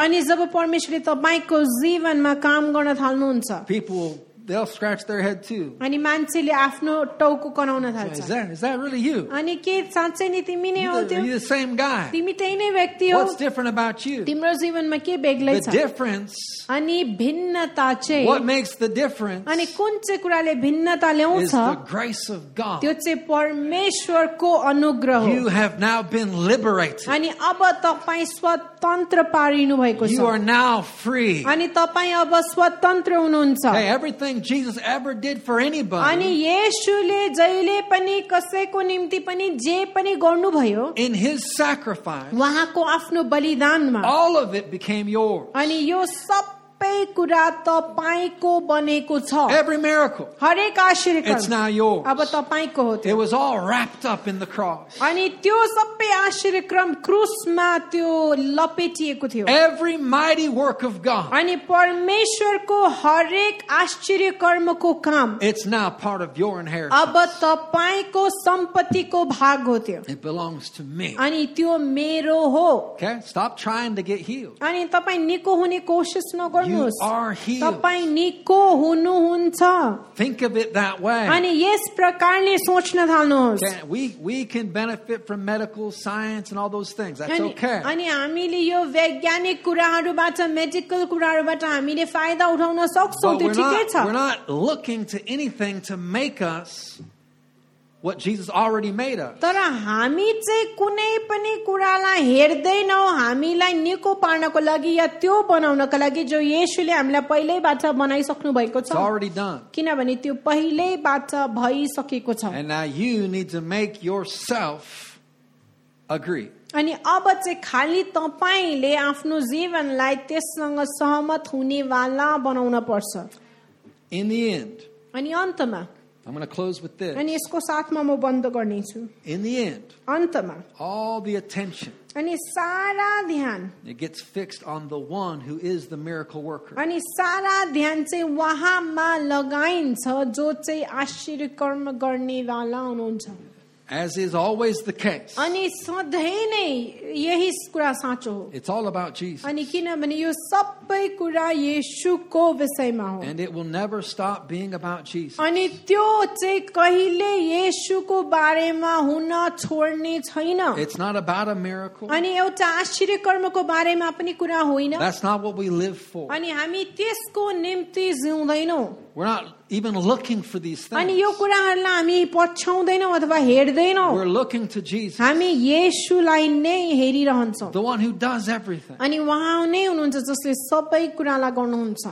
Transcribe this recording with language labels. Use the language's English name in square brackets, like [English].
[Nepali] अनि जब परमेश्वरले तपाईको जीवनमा काम गर्न थाल्नुहुन्छ, [English] people, they'll scratch their head too. [Nepali] अनि मान्छेले आफ्नो टाउको कनाउन थाल्छ. [English] Is that really you? [Nepali] अनि के साँच्चै नै तिमी नै हो त्यो? [English] You're the same guy. [Nepali] तिमी त्यही नै व्यक्ति हो. [English] What's different about you? [Nepali] तिम्रो जीवनमा के बेग्लै छ? [English] The difference. [Nepali] अनि भिन्नता चाहिँ? [English] What makes the difference? [Nepali] अनि कुन चाहिँ कुराले भिन्नता ल्याउँछ? [English] It's the grace of God. [Nepali] त्यो चाहिँ परमेश्वरको अनुग्रह हो. [English] You have now been liberated. [Nepali] अनि अब तपाई स्वतन्त्र पारिनु भएको छ. [English] You are now free. [Nepali] अनि तपाई अब स्वतन्त्र हुनुहुन्छ. [English] Hey, everything Jesus ever did for anybody. [Nepali] अनि येशूले जहिले पनि कसैको निम्ति पनि जे पनि गर्नुभयो. [English] In his sacrifice. [Nepali] उहाँको आफ्नो बलिदानमा. [English] All of it became yours. [Nepali] अनि यो सबै कुरा तपाईको बनेको छ. [English] Every miracle. [Nepali] हरेक आशीर्वाद. [English] It's now yours. [Nepali] अब तपाईको हो त्यो. [English] It was all wrapped up in the cross. [Nepali] अनि त्यो सबै आशीर्वाद क्रूसमा त्यो लपेटिएको थियो. [English] Every mighty work of God. [Nepali] अनि परमेश्वरको हरेक आश्चर्यकर्मको काम. [English] It's now part of your inheritance. [Nepali] अब तपाईको सम्पत्तिको भाग हो त्यो. [English] It belongs to me. [Nepali] अनि त्यो मेरो हो. [English] Okay, stop trying to get healed. [Nepali] अनि तपाई निको हुने कोशिश नगर्नुस्. [English] You are healed. [Nepali] तपाई निको हुनुहुन्छ. [English] Think of it that way. [Nepali] अनि यस प्रकारले सोच्न थाल्नुस्. [English] We can benefit from medical science and all those things. That's [Nepali] अनि, [English] okay. [Nepali] अनि हामीले यो वैज्ञानिक कुराहरूबाट मेडिकल कुराहरूबाट हामीले फाइदा उठाउन सक्छौँ, त्यो ठिकै छ. [English] We're not looking to anything to make us what Jesus already made us. [Nepali] तर हामी चाहिँ कुनै पनि कुरालाई हेर्दैनौ हामीलाई निको पार्नको लागि या त्यो बनाउनको लागि जो येशूले हामीलाई पहिल्यैबाट बनाइसक्नु भएको छ. [English] It's already done. [Nepali] किनभने त्यो पहिल्यैबाट भइसकेको छ. [English] And now you need to make yourself agree. [Nepali] अनि अब चाहिँ खालि तपाईले आफ्नो जीवनलाई त्यससँग सहमत हुनेवाला बनाउन पर्छ. [English] In the end. [Nepali] अनि अन्तमा. [English] I'm going to close with this. [Nepali] अनि यसको साथमा म बन्द गर्नेछु. [English] In the end. [Nepali] अन्तमा. [English] All the attention. [Nepali] अनि सारा ध्यान. [English] It gets fixed on the one who is the miracle worker. [Nepali] अनि सारा ध्यान चाहिँ वहाँमा लगाइन्छ जो चाहिँ आशीर्वाद गर्नेवाला हुनुहुन्छ. [English] As is always the case. [Nepali] अनि सधैँ नै यही कुरा साँचो हो. [English] It's all about Jesus. [Nepali] अनि किनभने यो सबै कुरा येशूको विषयमा हो. [English] And it will never stop being about Jesus. [Nepali] अनि त्यो चाहिँ कहिले येशूको बारेमा हुन छोड्ने छैन. [English] It's not about a miracle. [Nepali] अनि एउटा आश्चर्यकर्मको बारेमा पनि कुरा होइन. [English] That's not what we live for. [Nepali] अनि हामी त्यसको निम्ति जिउँदैनौ. [English] We're not even looking for these things. [Nepali] अनि यो कुराहरूलाई हामी पछ्याउँदैनौ अथवा हेर्दैनौ. [English] We're looking to Jesus. [Nepali] हामी येशूलाई नै हेरिरहन्छौ. [English] The one who does everything. [Nepali] अनि उहाँ नै हुनुहुन्छ जसले सबै कुरालाई गर्नुहुन्छ.